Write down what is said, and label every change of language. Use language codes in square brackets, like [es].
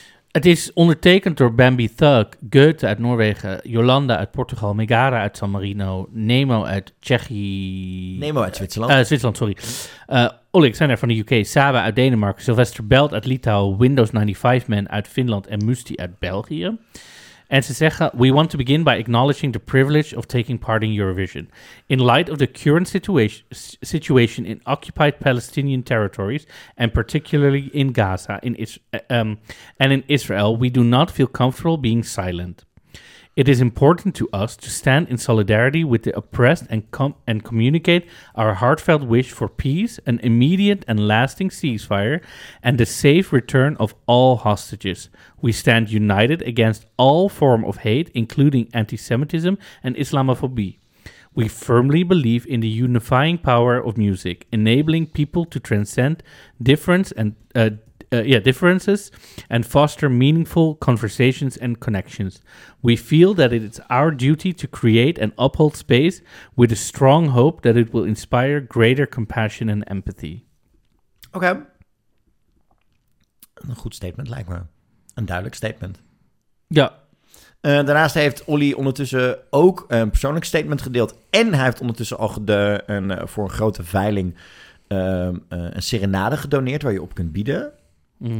[nl] Het is ondertekend door Bambi Thug, Goethe uit Noorwegen, Yolanda uit Portugal, Megara uit San Marino, Nemo uit Zwitserland. Olik Zijner van de UK, Saba uit Denemarken, Sylvester Belt uit Litouwen, Windows 95 Man uit Finland en Musti uit België. En ze zeggen, [en] we want to begin by acknowledging the privilege of taking part in Eurovision. In light of the current situation in occupied Palestinian territories, and particularly in Gaza and in Israel, we do not feel comfortable being silent. It is important to us to stand in solidarity with the oppressed and communicate our heartfelt wish for peace, an immediate and lasting ceasefire, and the safe return of all hostages. We stand united against all form of hate, including anti-Semitism and Islamophobia. We firmly believe in the unifying power of music, enabling people to transcend difference and differences, and foster meaningful conversations and connections. We feel that it is our duty to create and uphold space with a strong hope that it will inspire greater compassion and empathy. Okay. [nl] Een goed statement, lijkt me. Een duidelijk statement. Ja. Daarnaast heeft Olly ondertussen ook een persoonlijk statement gedeeld. En hij heeft ondertussen al voor een grote veiling een serenade gedoneerd waar je op kunt bieden. Mm-hmm.